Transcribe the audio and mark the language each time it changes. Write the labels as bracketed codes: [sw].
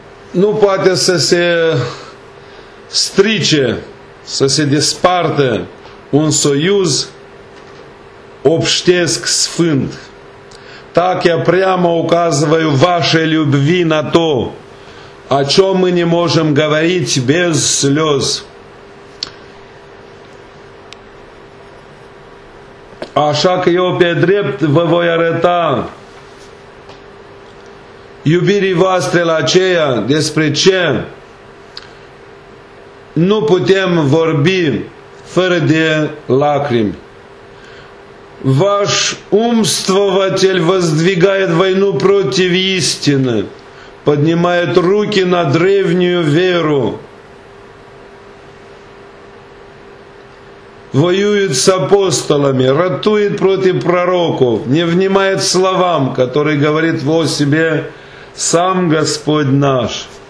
[ro] nu poate să se strice, să se despartă un soiuz obștesc sfânt. [ru] Так я прямо указываю вашей любви на то, о чем мы не можем говорить без слез. [ro] Așa că eu pe drept vă voi arăta iubirii voastre la aceea despre ce nu putem vorbi fără de lacrimi. [ru] Ваш умствователь воздвигает войну против истины, поднимает руки на древнюю веру, воюет с апостолами, ратует против пророков, не внимает словам, которые говорит во себе сам Господь наш.